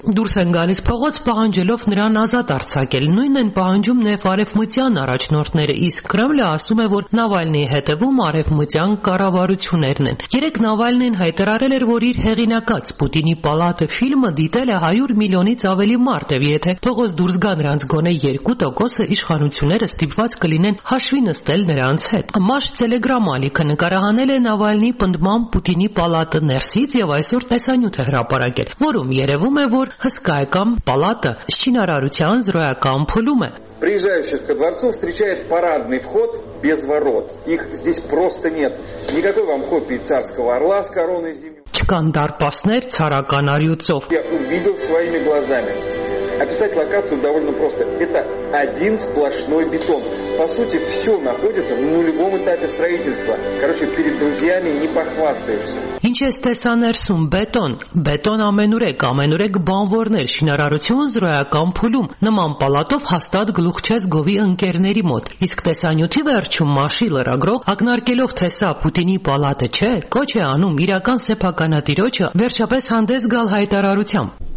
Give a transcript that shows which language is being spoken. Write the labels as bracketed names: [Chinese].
[Armenian] դուրս են գալիս փողոց, պահանջելով նրան ազատ արձակել։ Նույնն են պահանջում նաև արևմտյան առաջնորդները, իսկ Կրեմլը ասում է, որ Նավալնիի հետևում արևմտյան կառավարություններն են։ Երեկ Նավալնին հայտարարել էր, որ իր հեղինակած Պուտինի պալատը ֆիլմը դիտել է 100 միլիոնից ավելի մարդ, և եթե փողոց դուրս գա նրանց գոնե 2%-ը, իշխանությունները ստիպված կլինեն հաշվի նստել նրանց հետ։ Մաշ Տելեգրամ ալիքը նկարահանել է Նավալնի պնդման Պուտինի պալատը ներսից, և այսօր տեսանյութ է հրապարակել, որում երևում է, որ հսկայական պալատը շինարարության զրոյական փուլում է։ [Russian] Приезжающих ко дворцу встречает парадный вход без ворот. Их здесь просто нет. Никакой вам копии царского орла с короной зимней. [Armenian] Չկան դարպասներ ցարական արյուծով։ [Russian] Я увидел своими глазами. Описать локацию довольно просто. Это один сплошной бетон. По сути, все находится на нулевом этапе строительства. Короче, перед друзьями не похвастаешься. [Armenian] Ինչ է տեսաներսում բետոն, բետոն ամենուրեք, ամենուրեք բանվորներ, շինարարություն զրոյական փուլում, նման պալատով հաստատ գլուխ չես գովի ընկերների մոտ։ Իսկ տեսանյութի վերջում Մաշի լրագրող, ակնարկելով, թե սա Պուտինի պալատը չէ, կոչ է անում իրական սեփականատիրոջը վերջապես հանդես գալ հայտարարությամբ։